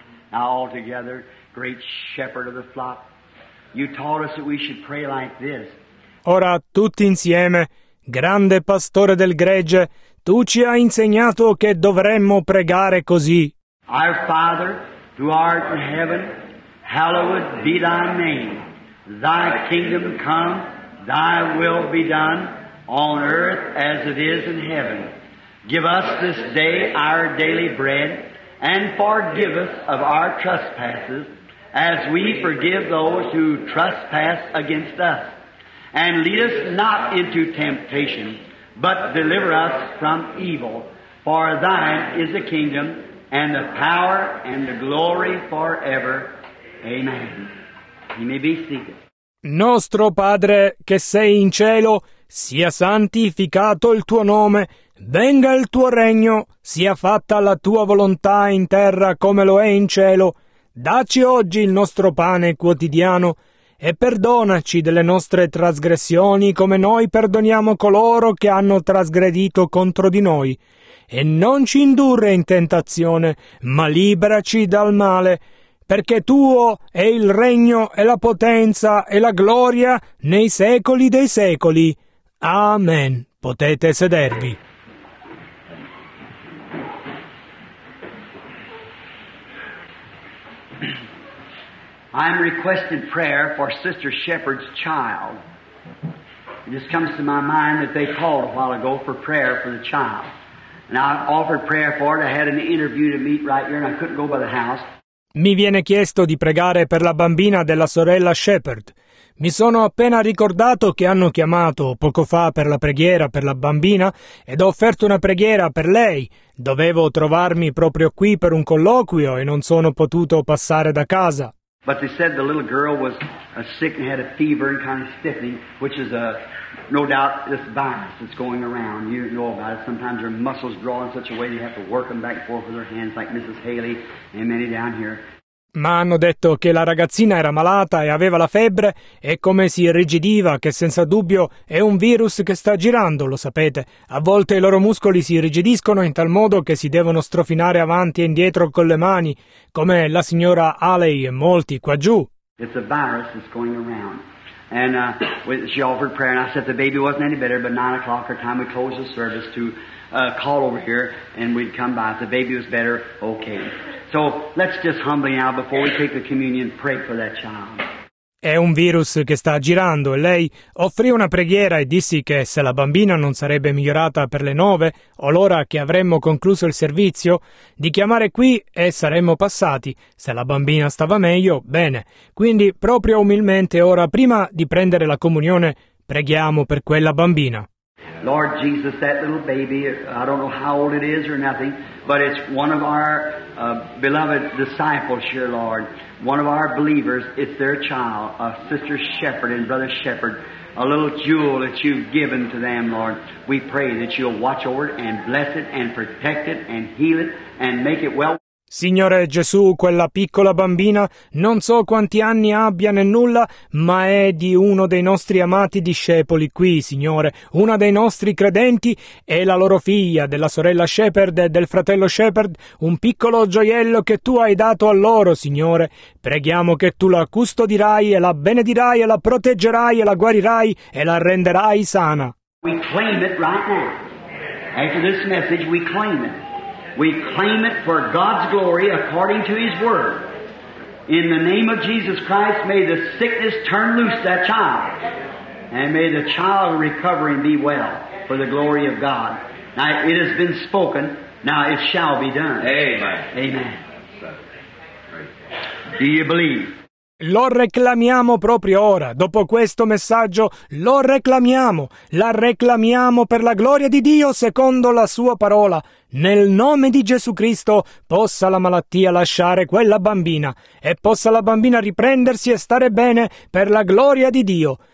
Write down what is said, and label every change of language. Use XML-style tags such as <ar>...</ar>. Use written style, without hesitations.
<en>Now all together, great shepherd of the flock, you taught us that we should pray like this.</en> <it>Ora tutti insieme, grande pastore del gregge, tu ci hai insegnato che dovremmo pregare così.</it> <en>Our Father, who art in heaven, hallowed be thy name. Thy kingdom come, thy will be done, on earth as it is in heaven. Give us this day our daily bread, and forgive us of our trespasses, as we forgive those who trespass against us. And lead us not into temptation, but deliver us from evil. For thine is the kingdom, and the power, and the glory forever. Amen. You may be seated.</en> <it>Nostro Padre, che sei in cielo, sia santificato il tuo nome, venga il tuo regno, sia fatta la tua volontà in terra come lo è in cielo. Dacci oggi il nostro pane quotidiano, e perdonaci delle nostre trasgressioni come noi perdoniamo coloro che hanno trasgredito contro di noi. E non ci indurre in tentazione, ma liberaci dal male, perché tuo è il regno e la potenza e la gloria nei secoli dei secoli. Amen. Potete sedervi.</it> <en>I'm requesting prayer for Sister Shepherd's child. It just comes to my mind that they called a while ago for prayer for the child. And I offered prayer for it. I had an interview to meet right here and I couldn't go by the house.</en> <it>Mi viene chiesto di pregare per la bambina della sorella Shepherd. Mi sono appena ricordato che hanno chiamato poco fa per la preghiera per la bambina ed ho offerto una preghiera per lei. Dovevo trovarmi proprio qui per un colloquio e non sono potuto passare da casa.</it> <en>But they said the little girl was sick and had a fever and kind of stiffening, which is no doubt this virus that's going around. You know about it. Sometimes her muscles draw in such a way you have to work them back and forth with her hands like Mrs. Haley and many down here.</en> <it>Ma hanno detto che la ragazzina era malata e aveva la febbre e come si irrigidiva, che senza dubbio è un virus che sta girando, lo sapete. A volte i loro muscoli si irrigidiscono in tal modo che si devono strofinare avanti e indietro con le mani, come la signora Haley e molti qua giù.</it> <en>It's a virus that's going around. And she offered prayer and I said the baby wasn't any better, but 9 o'clock her time we closed the service to call over here and we'd come by. If the baby was better, okay. So let's just humbly now, before we take the communion, pray for that child.</en> <it>È un virus che sta girando e lei offrì una preghiera e dissi che se la bambina non sarebbe migliorata per le 9 o l'ora che avremmo concluso il servizio, di chiamare qui e saremmo passati. Se la bambina stava meglio, bene. Quindi, proprio umilmente, ora, prima di prendere la comunione, preghiamo per quella bambina.</it> <en>Lord Jesus, that little baby, I don't know how old it is or nothing, but it's one of our beloved disciples here, Lord. One of our believers, it's their child, a Sister Shepherd and Brother Shepherd, a little jewel that you've given to them, Lord. We pray that you'll watch over it and bless it and protect it and heal it and make it well.</en> <it>Signore Gesù, quella piccola bambina, non so quanti anni abbia né nulla, ma è di uno dei nostri amati discepoli qui, Signore, una dei nostri credenti, è la loro figlia, della sorella Shepherd e del fratello Shepherd, un piccolo gioiello che tu hai dato a loro, Signore. Preghiamo che tu la custodirai e la benedirai e la proteggerai e la guarirai e la renderai sana.</it> <en>We claim it right now. After this message, we claim it. We claim it for God's glory according to His Word. In the name of Jesus Christ, may the sickness turn loose that child. And may the child recovering be well for the glory of God. Now it has been spoken, now it shall be done. Amen. Amen. Do you believe?</en> <it>Lo reclamiamo proprio ora, dopo questo messaggio, lo reclamiamo, la reclamiamo per la gloria di Dio secondo la sua parola. Nel nome di Gesù Cristo possa la malattia lasciare quella bambina e possa la bambina riprendersi e stare bene per la gloria di Dio.</it>